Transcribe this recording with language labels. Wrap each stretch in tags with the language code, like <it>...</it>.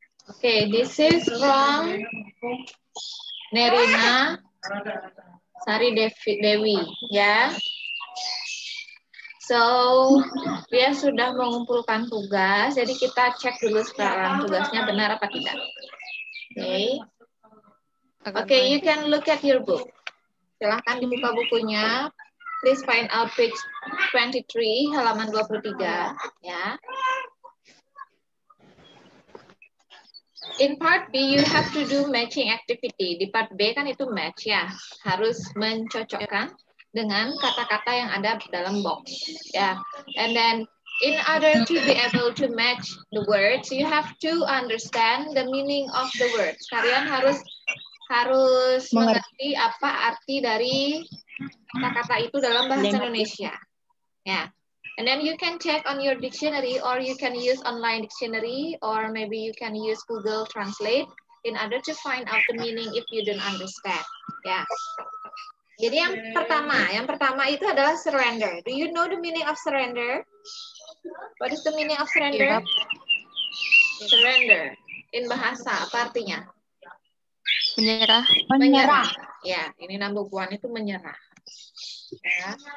<en>Okay, this is from Nerina Sari Dewi, yeah.</en> <id>So, dia sudah mengumpulkan tugas, jadi kita cek dulu sekarang tugasnya benar apa tidak. Okay.</id> <en>Okay, you can look at your book.</en> <id>Silahkan dibuka bukunya.</id> <en>Please find out page 23,</en> <id>halaman 23,</id> <en>yeah. In part B, you have to do matching activity.</en> <id>Di part B kan itu match ya. Harus mencocokkan dengan kata-kata yang ada dalam box. Ya.</id> <en>And then, in order to be able to match the words, you have to understand the meaning of the words.</en> <id>Kalian harus mengerti apa arti dari kata-kata itu dalam bahasa Indonesia. Ya.</id> <en>And then you can check on your dictionary or you can use online dictionary or maybe you can use Google Translate in order to find out the meaning if you don't understand. Yeah.</en> <id>Jadi yang pertama itu adalah surrender.</id> <en>Do you know the meaning of surrender? What is the meaning of surrender? Surrender.</en> <id>In bahasa, apa artinya? Menyerah. Menyerah. Ya, yeah. Ini number one itu menyerah. Ya. Yeah.</id>